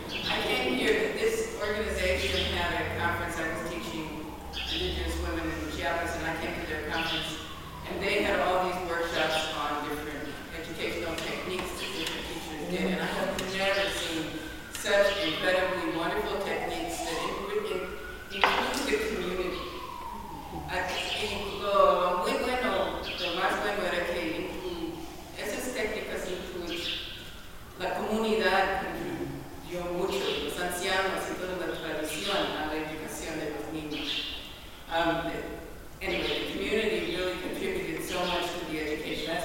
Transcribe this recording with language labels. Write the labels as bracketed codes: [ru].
[en] I came here, this organization had a conference, I was teaching indigenous women in Chiapas, and I came to their conference, and they had all these workshops on different educational techniques that different teachers did, and I have never seen such incredibly wonderful techniques that include the community. [es] Aquí, muy bueno, lo más bueno era que esas técnicas incluyen la comunidad, yo mucho, los ancianos y toda la tradición a la educación de los niños. [en] Anyway, the community really contributed so much to the education.